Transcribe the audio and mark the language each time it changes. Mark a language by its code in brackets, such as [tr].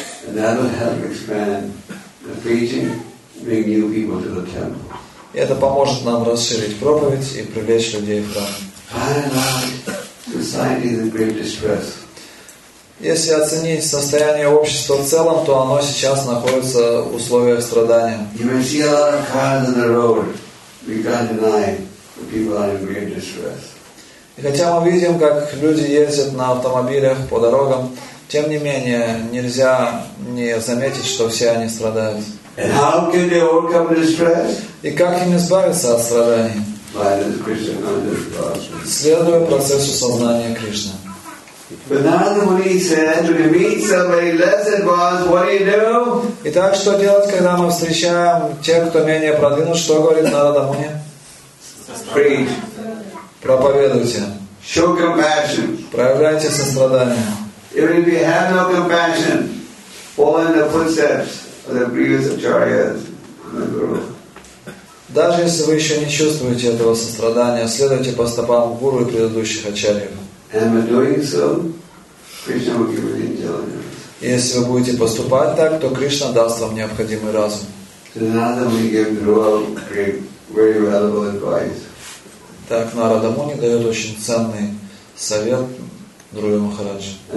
[ru] И это поможет нам расширить проповедь и привлечь людей в храм. Если оценить состояние общества в целом, то оно сейчас находится в условиях страдания. [en] You may see a lot of cars on the road. We can't deny that people are in great distress. [ru] И хотя мы видим, как люди ездят на автомобилях по дорогам, тем не менее нельзя не заметить, что все они страдают. [en] And how can they overcome distress? [ru] И как им избавиться от страданий? [en] By the Krishna consciousness. [ru] Следуя процессу сознания Кришны. [en] But now the Muni said, when you meet somebody less advanced, what do you do? [ru] Итак, что делать, когда мы встречаем тех, кто менее продвинут? Что говорит Нарада Муни? [en] Preach. [ru] Проповедуйте. [en] Show compassion. [ru] Проявляйте сострадание. [en] Even if you have no compassion, follow in the footsteps of the previous acharyas, the guru. [ru] Даже если вы еще не чувствуете этого сострадания, следуйте по стопам гуру и предыдущих ачарьев. И если вы будете поступать так, то Кришна даст вам необходимый разум. Так Нарада Муни дает очень ценный совет Друве Махараджи.